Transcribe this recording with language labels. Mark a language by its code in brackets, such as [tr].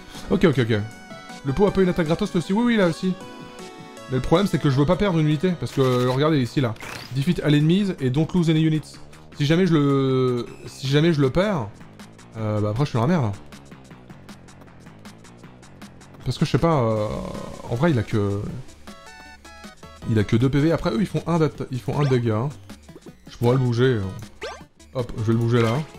[fr] Ok. Le pot a pas une attaque gratos aussi? Oui, là aussi. Mais le problème, c'est que je veux pas perdre une unité. Parce que, regardez, ici, là. [en] Defeat all enemies et don't lose any units. [fr] Si jamais je le perds, bah après, je suis dans la merde. Parce que, je sais pas, en vrai, il a que 2 PV. Après, eux, ils font un dégât. Je pourrais le bouger. Hop, je vais le bouger là.